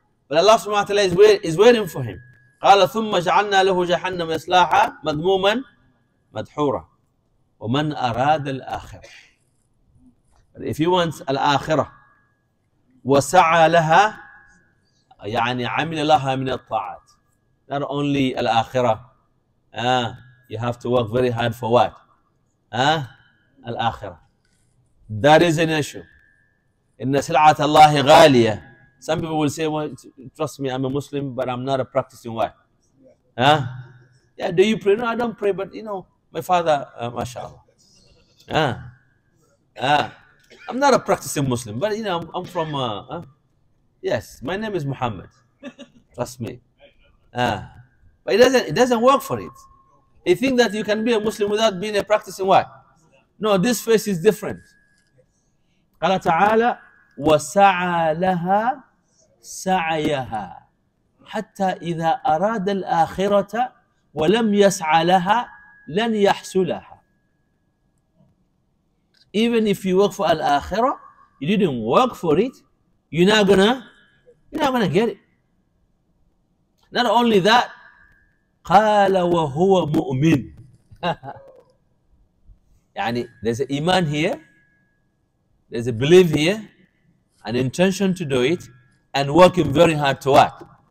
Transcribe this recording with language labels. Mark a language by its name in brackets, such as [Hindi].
[English] But Allah subhanahu wa ta'ala is waiting for him. [Arabic] قال ثم جعلنا له جهنم يصلاها مذموما مدحورا ومن أراد الآخرة. [English] If he wants [Arabic] الآخرة وسعى لها يعني عمل لها من الطاعات. [English] Not only الآخرة. You have to work very hard for what? [Arabic] الآخرة. [English] That is an issue. [Arabic] إن سلعة الله غالية. [English] Some people will say, well, trust me, I'm a Muslim, but I'm not a practicing wife. Yeah, do you pray? No, I don't pray, but you know, my father, mashallah. I'm not a practicing Muslim, but you know, I'm from, yes, my name is Muhammad. Trust me. But it doesn't work for it. He thinks that you can be a Muslim without being a practicing wife. No, this face is different. [Arabic] قال تعالى وسعى لها سعيها حتى إذا أراد الآخرة ولم يسعى لها لن يحصلها. [English] Even if you work for al-akhirah, you didn't work for it, you're not gonna get it. Not only that, [Arabic] قال وهو مؤمن. [English] يعني there's an iman here, there's a belief here, an intention to do it, and working very hard to work.